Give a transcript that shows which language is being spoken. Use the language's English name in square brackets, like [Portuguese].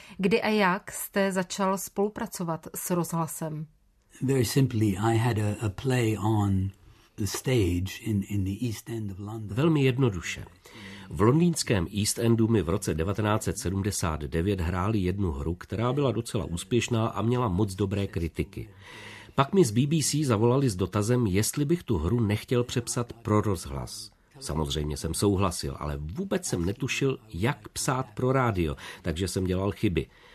[Czech] Kdy a jak jste začal spolupracovat s rozhlasem? [English] Very simply, I had a play on the stage in the East End of London. [Czech] Velmi jednoduše. V londýnském East Endu mi v roce 1979 hráli jednu hru, která byla docela úspěšná a měla moc dobré kritiky. Pak mi z BBC zavolali s dotazem, jestli bych tu hru nechtěl přepsat pro rozhlas. Samozřejmě jsem souhlasil, ale vůbec jsem netušil, jak psát pro rádio, takže jsem dělal chyby.